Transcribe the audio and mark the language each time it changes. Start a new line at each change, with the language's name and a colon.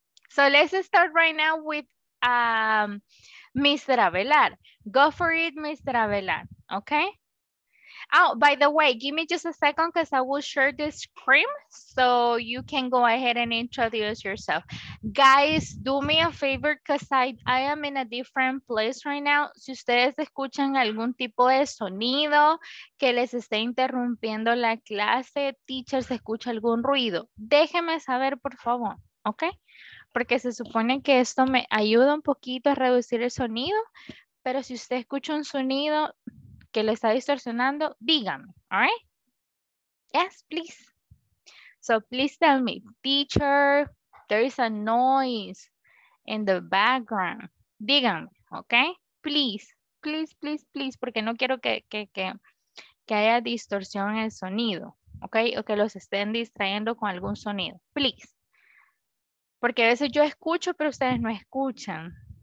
English: So let's start right now with Mr. Avelar. Go for it, Mr. Avelar, okay? Oh, by the way, give me just a second because I will share the screen so you can go ahead and introduce yourself. Guys, do me a favor because I am in a different place right now.
Spanish: Si ustedes escuchan algún tipo de sonido que les esté interrumpiendo la clase, teacher, se escucha algún ruido, déjeme saber, por favor, ¿ok? Porque se supone que esto me ayuda un poquito a reducir el sonido, pero si usted escucha un sonido que le está distorsionando, dígame,
English: all right? Yes, please. So please tell me, teacher, there is a noise in the background.
Spanish: Dígame, okay?
English: Please, please, please, please,
Spanish: porque no quiero que haya distorsión en el sonido, okay? O que los estén distrayendo con algún sonido, please. Porque a veces yo escucho, pero ustedes no escuchan.